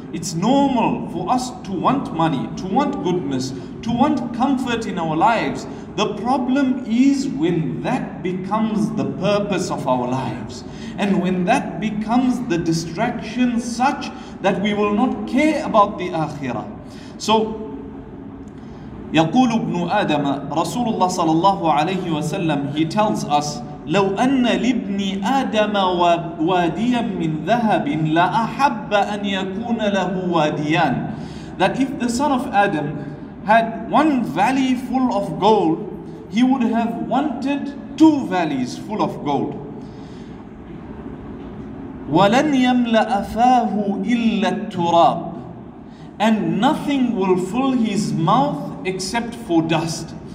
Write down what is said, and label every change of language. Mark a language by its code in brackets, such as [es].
[en] It's normal for us to want money, to want goodness, to want comfort in our lives. The problem is when that becomes the purpose of our lives. And when that becomes the distraction such that we will not care about the akhirah. So, [ar] يقول ابن آدم رسول الله صلى الله عليه وسلم, [en] he tells us, [ar] لو أن لابن آدم واديا من ذهب لأحب أن يكون له واديان. [en] That if the son of Adam had one valley full of gold, he would have wanted two valleys full of gold. [ar] ولن يملأ فاه إلا التراب. [en] And nothing will fill his mouth except for dust.